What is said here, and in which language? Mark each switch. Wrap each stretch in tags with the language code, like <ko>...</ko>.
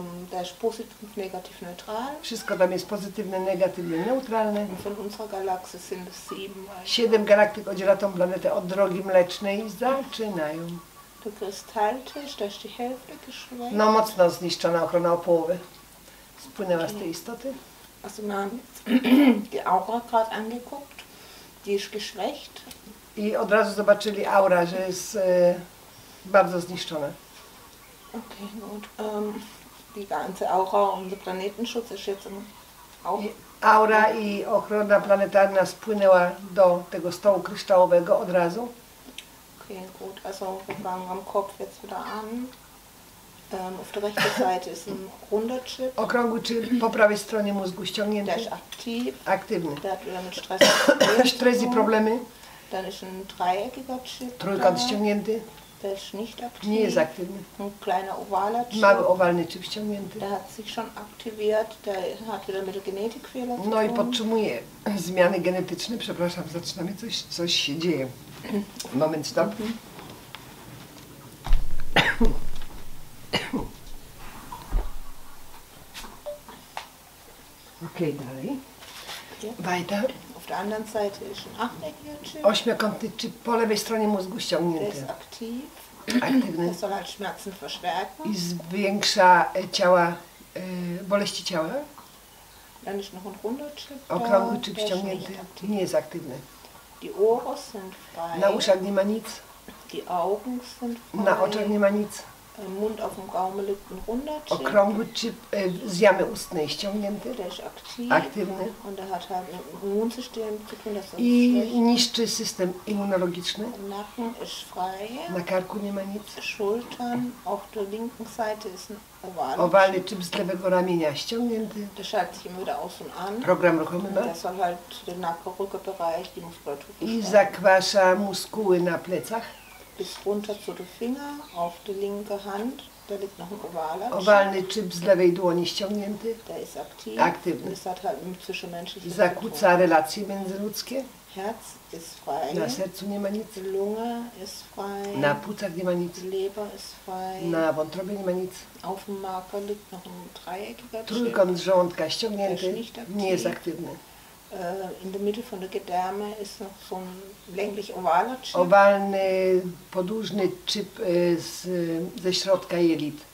<pl>Też pozytywny, negatywny, neutralny. Wszystko tam jest pozytywne, negatywne, neutralne.</pl> <de>Von unserer Galaxie sind es sieben.</de> <pl>Siedem galaktyk oddziela tą planetę od Drogi Mlecznej i zaczynają.</pl> <de>Du kristaltisch, da ist die Hälfte geschwächt.</de> <pl>No, mocno zniszczona ochrona o połowę. Spłynęła okay. Z tej istoty.</pl> <de>Also, wir haben die Aura gerade angeguckt. Die ist geschwächt.</de> <pl>I od razu zobaczyli aura, że jest bardzo zniszczona.</pl> <de>Okay, gut. Die ganze Aura und der Planetenschutz ist jetzt im</de> <pl>Aura i ochrona planetarna spłynęła do tego stołu kryształowego od razu.</pl> <de>Okay, gut. Also wir fangen am Kopf jetzt wieder an. Auf der rechten Seite ist ein runder Chip.</de> <pl>Okrągły czyp po prawej stronie mózgu ściągnięty.</pl> <de>Der ist aktiv.</de> <pl>Aktywny.</pl> <de>Der hat wieder mit Stress.</de> <pl>Stress i problemy.</pl> <de>Dann ist ein dreieckiger Chip.</de> <pl>Trójkąt ściągnięty. Też</pl> <de>nicht aktiv.</de> <pl>Nie jest aktywny.</pl> <de>Kleiner ovaler chip.</de> <pl>Mały owalny chip ściągnięty.</pl> <de>Der hat sich schon aktiviert, der hat wieder mit der Genetik Fehler zu tun.</de> <pl>No i podtrzymuje zmiany genetyczne, przepraszam, zaczynamy coś się dzieje. Moment, stop. Okej, dalej.</pl> <de>Weiter. Auf der anderen Seite ist ein achteckiger Chip.</de> <pl>Ośmiokątny chip po lewej stronie mózgu ściągnięty.</pl> <de>Der ist aktiv.</de> <pl>Aktywny.</pl> <de>Das soll halt Schmerzen verstärken.</de> <pl>I zwiększa ciała, boleści ciała.</pl> <de>Dann ist noch ein runder Chip.</de> <pl>Okrągły chip ściągnięty. Nie jest aktywny.</pl> <de>Die Ohren sind frei.</de> <pl>Na uszach nie ma nic.</pl> <de>Die Augen sind frei.</de> <pl>Na oczach nie ma nic.</pl> <de>Mund auf dem Gaumen liegt ein runder Chip.</de> <pl>Okrągły chip z jamy ustnej ściągnięty.</pl> <de>Der ist aktiv.</de> <pl>Aktywny.</pl> <de>Und er hat halt Immunsystem.</de> <pl>I niszczy system immunologiczny.</pl> <de>Nacken ist frei.</de> <pl>Na karku nie ma nic.</pl> <de>Schultern auf der linken Seite ist ein ovalny chip.</de> <pl>Ovalny chip z lewego ramienia ściągnięty.</pl> <de>Der schaltet sich immer wieder aus und an.</de> <pl>Program ruchomy ma.</pl> <de>Das soll halt den Nackenrückenbereich, die Muskulatur.</de> <pl>I zakwasza muskuły na plecach.</pl> <de>Bis runter zu den Finger, auf die linke Hand, da liegt noch ein ovaler Chip.</de> <pl>Owalny chip z lewej dłoni ściągnięty.</pl> <de>Der ist aktiv.</de> <pl>Aktywny.</pl> <de>Das hat halt mit zwischenmenschlichen</de> <pl>zakłóca relacje międzyludzkie.</pl> <de>Herz ist frei.</de> <pl>Na sercu nie ma nic.</pl> <de>Lunge ist frei.</de> <pl>Na płucach nie ma nic.</pl> <de>Leber ist frei.</de> <pl>Na wątrobie nie ma nic.</pl> <de>Auf dem Marker liegt noch ein dreieckiger Chip.</de> <pl>Trójkąt żołądka ściągnięty.</pl> <de>Nicht aktiv.</de> <pl>Nie jest aktywny.</pl> <de>In der Mitte von der Gedärme ist noch so ein länglich ovaler Chip.</de> <pl>Ovalny, podłużny Chip ze środka jelit.</pl>